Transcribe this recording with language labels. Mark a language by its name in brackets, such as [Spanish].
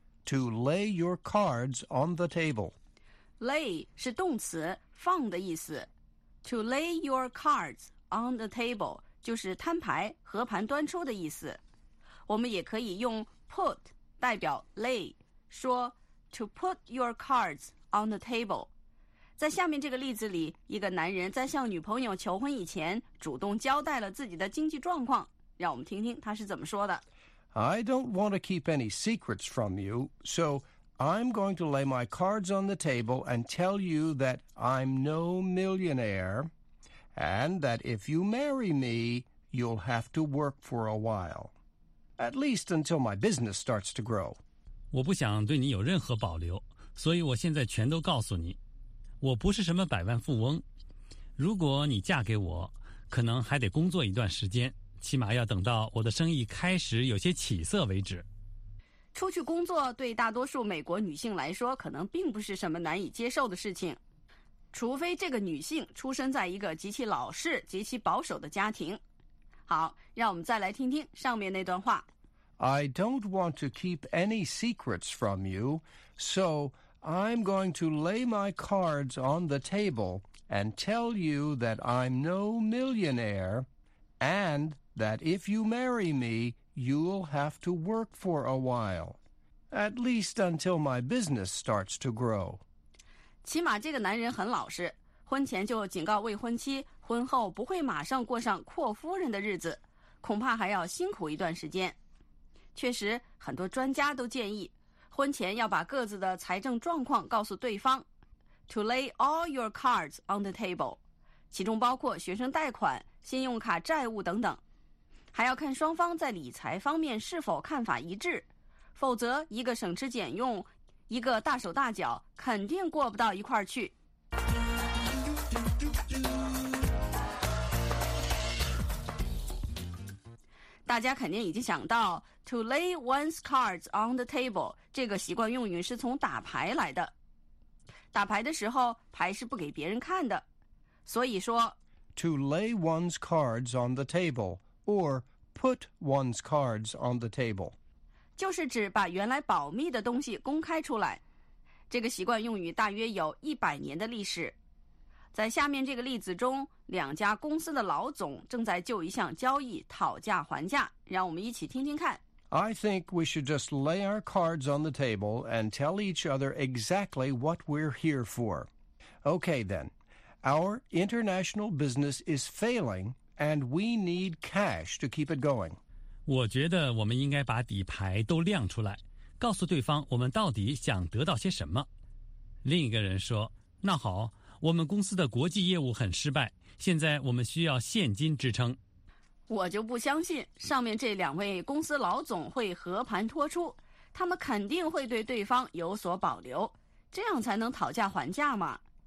[English] To lay your cards on the table. [Chinese] Lay 是动词放的意思。 [English] To lay your cards on the table [Chinese] 就是摊牌和盘端出的意思。我们也可以用 put 代表 lay, 说 [English] to put your cards on the table. [Chinese] 在下面这个例子里，一个男人在向女朋友求婚以前主动交代了自己的经济状况，让我们听听他是怎么说的。 [English] I don't want to keep any secrets from you, so I'm going to lay my cards on the table and tell you that I'm no millionaire and that if you marry me, you'll have to work for a while, at least until my business starts to grow. [Chinese] 我不想对你有任何保留，所以我现在全都告诉你，我不是什么百万富翁，如果你嫁给我，可能还得工作一段时间，起码要等到我的生意开始有些起色为止。出去工作对大多数美国女性来说可能并不是什么难以接受的事情，除非这个女性出生在一个极其老式极其保守的家庭。好，让我们再来听听上面那段话。 [English] I don't want to keep any secrets from you, soI'm going to lay my cards on the table and tell you that I'm no millionaire and that if you marry me, you'll have to work for a while, at least until my business starts to grow. [Chinese] 起码这个男人很老实，婚前就警告未婚妻，婚后不会马上过上阔夫人的日子，恐怕还要辛苦一段时间。确实，很多专家都建议婚前要把各自的财政状况告诉对方 ， [English] to lay all your cards on the table， [Chinese] 其中包括学生贷款、信用卡债务等等，还要看双方在理财方面是否看法一致，否则一个省吃俭用，一个大手大脚，肯定过不到一块儿去。大家肯定已经想到 [English] to lay one's cards on the table [Chinese] 这个习惯用语是从打牌来的。打牌的时候牌是不给别人看的，所以说 [English] to lay one's cards on the table or put one's cards on the table [Chinese] 就是指把原来保密的东西公开出来。这个习惯用语大约有100年的历史。在下面这个例子中，两家公司的老总正在就一项交易讨价还价，让我们一起听听看。 [English] I think we should just lay our cards on the table and tell each other exactly what we're here for. Okay then, our international business is failing and we need cash to keep it going. [Chinese] 我觉得我们应该把底牌都亮出来，告诉对方我们到底想得到些什么。另一个人说，那好，我们公司的国际业务很失败，现在我们需要现金支撑。我就不相信上面这两位公司老总会和盘托出，他们肯定会对对方有所保留，这样才能讨价还价嘛。